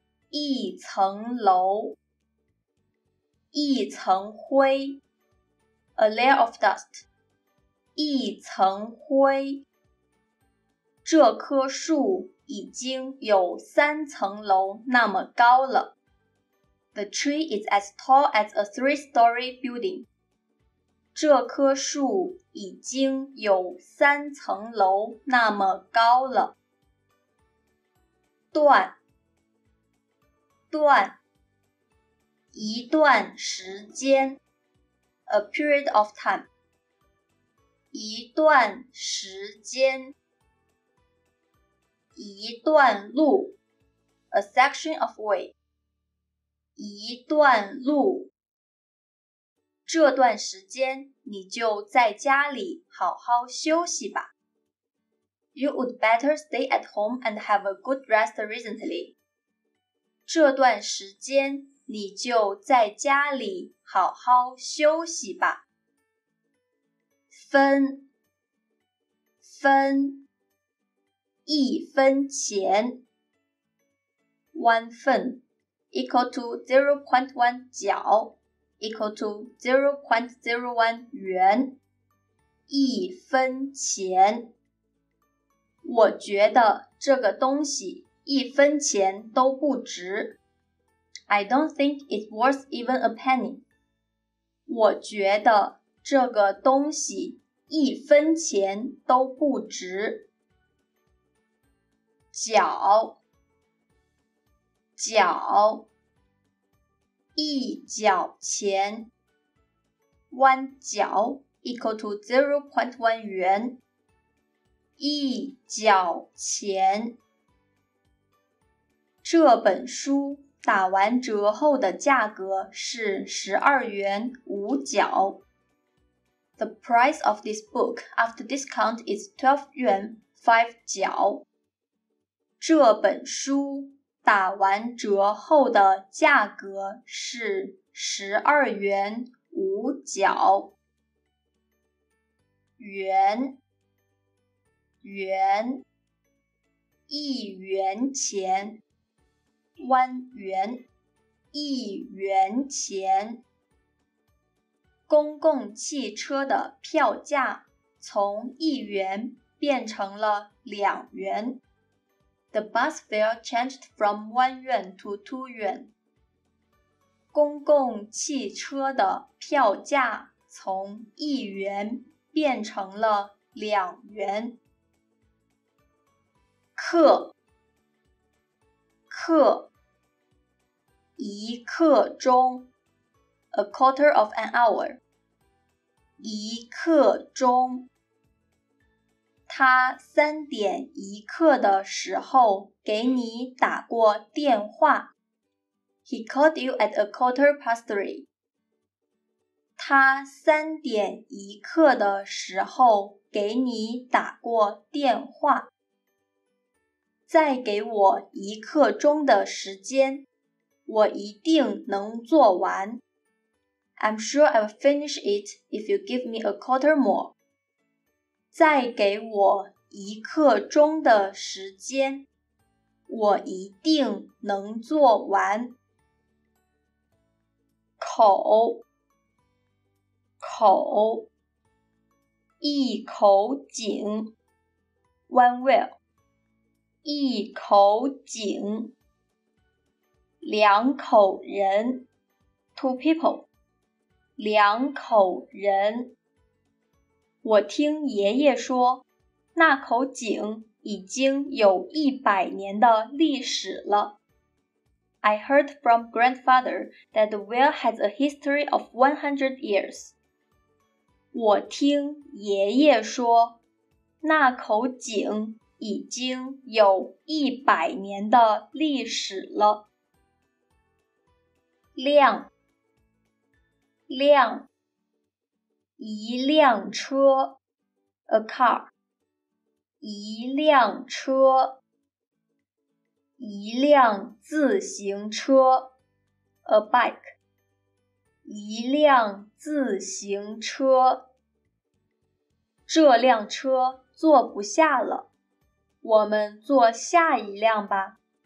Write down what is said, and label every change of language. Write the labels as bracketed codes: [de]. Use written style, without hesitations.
[zh] 一层楼，一层灰。 [en] A layer of dust. [zh] 一层灰。这棵树已经有三层楼那么高了。 [en] The tree is as tall as a three-story building. [zh] 这棵树已经有三层楼那么高了。断，一段时间。 [en] A period of time. [zh] 一段时间。一段路。 [en] A section of way. [zh] 一段路。这段时间你就在家里好好休息吧。 [en] You would better stay at home and have a good rest recently. [zh] 这段时间你就在家里好好休息吧。分，一分钱。 [en] One fen equal to 0.1 角 equal to 0.01 元。 [zh] 一分钱。我觉得这个东西一分钱都不值。 [en] I don't think it's worth even a penny. [zh] 我觉得这个东西一分钱都不值。角，一角钱。 [en] One 角 equal to 0.1 元。 [zh] 一角钱。这本书打完折后的价格是12元5角。 [en] The price of this book after discount is 12 yuan 5 角。 [zh] 这本书打完折后的价格是12元5角。元，一元钱。 1元, 1元钱。公共汽车的票价从1元变成了2元。 [en] The bus fare changed from 1 yuan to 2 yuan. [zh] 公共汽车的票价从1元变成了2元。课，课，一刻钟。 [en] A quarter of an hour. [zh] 一刻钟。他3:01的时候给你打过电话。 [en] He called you at a quarter past three. [zh] 他3:01的时候给你打过电话。再给我一刻钟的时间，我一定能做完。 [en] I'm sure I'll finish it if you give me a quarter more. [zh] 再给我一刻钟的时间，我一定能做完。口，口，一口井。 [en] One well. [zh] 一口井。两口人。 [en] Two people. [zh] 两口人。我听爷爷说，那口井已经有100年的历史了。 [en] I heard from grandfather that the well has a history of 100 years. [zh] 我听爷爷说，那口井已经有100年的历史了。亮。亮，一辆车 ， [en] a car， [zh] 一辆车，一辆自行车 ， [en] a bike， [zh] 一辆自行车，这辆车坐不下了，我们坐下一辆吧。